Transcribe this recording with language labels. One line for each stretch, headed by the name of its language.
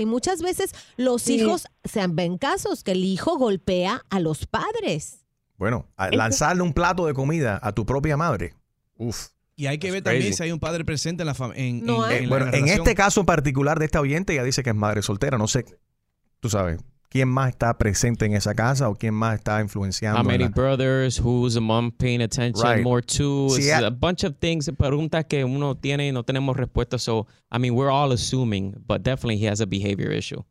Spanish: Y muchas veces los hijos, se ven casos que el hijo golpea a los padres. Bueno, lanzarle un plato de comida a tu propia madre. Uf, y hay que ver también si hay un padre presente en la relación. En este caso en particular de esta oyente, ella dice que es madre soltera. No sé, tú sabes, quién más está presente en esa casa o quién más está influenciando.
English: How many brothers, who's the mom paying attention more to. A bunch of things,
Spanish: preguntas que uno tiene y no tenemos respuesta.
English: So, I mean, we're all assuming, but definitely he has a behavior issue.